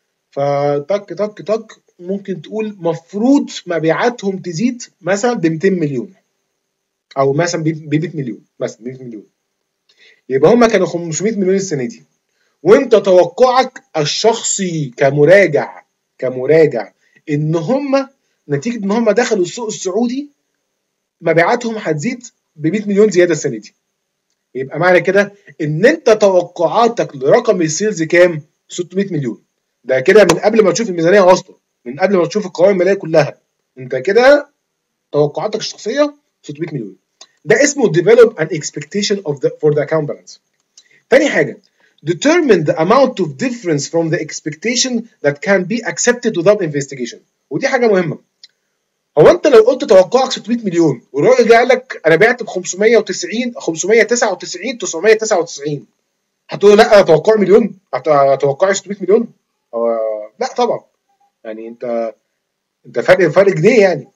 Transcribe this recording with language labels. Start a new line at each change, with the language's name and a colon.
Arabic: فتك تك تك ممكن تقول مفروض مبيعاتهم تزيد مثلا ب 200 مليون او مثلا ب 100 مليون مثلا 100 مليون، يبقى هما كانوا 500 مليون السنه دي، وانت توقعك الشخصي كمراجع ان هما نتيجه ان هما دخلوا السوق السعودي مبيعاتهم هتزيد ب 100 مليون زياده السنه دي، يبقى معنى كده ان انت توقعاتك لرقم السيلز كام؟ 600 مليون. ده كده من قبل ما تشوف الميزانيه اصلا، من قبل ما تشوف القوائم الماليه كلها، انت كده توقعاتك الشخصيه 600 مليون. ده اسمه
English: develop an expectation of the for the account balance.
Arabic: تاني حاجه،
English: determine the amount of difference from the expectation that can be accepted without investigation.
Arabic: ودي حاجه مهمه. هو انت لو قلت توقعك 600 مليون والراجل جه قال لك انا بعت ب 590 599 999، هتقول له لا انا توقعي مليون، توقعي 600 مليون؟ لا طبعا، يعني انت فرق جنيه يعني.